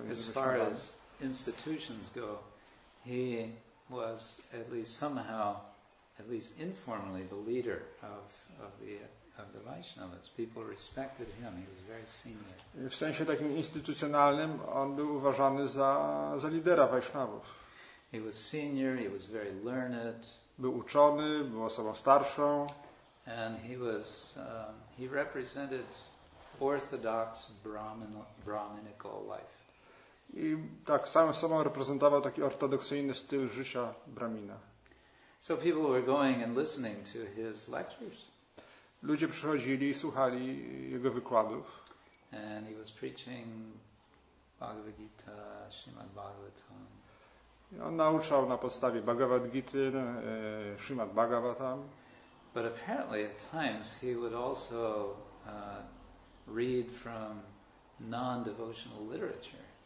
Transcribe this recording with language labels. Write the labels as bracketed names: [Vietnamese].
[English] As far as institutions go, he was at least somehow, at least informally, the leader of the Vaishnavas. People respected him. He was very senior. [Polish] W sensie takim instytucjonalnym on był uważany za lidera Vaishnavów. [English] He was senior, he was very learned. [Polish] Był uczony, był osobą starszą. [English] And he was he represented orthodox Brahminical life. [Polish] I tak samo reprezentował taki ortodoksyjny styl życia Brahmina. [English] So people were going and listening to his lectures. [Polish] Ludzie przychodzili i słuchali jego wykładów. [English] And he was preaching Bhagavad Gita, Srimad Bhagavatam. [Polish] I on nauczał na podstawie Bhagavad Gity, Srimad Bhagavatam. [English] But apparently at times he would also read from non-devotional literature.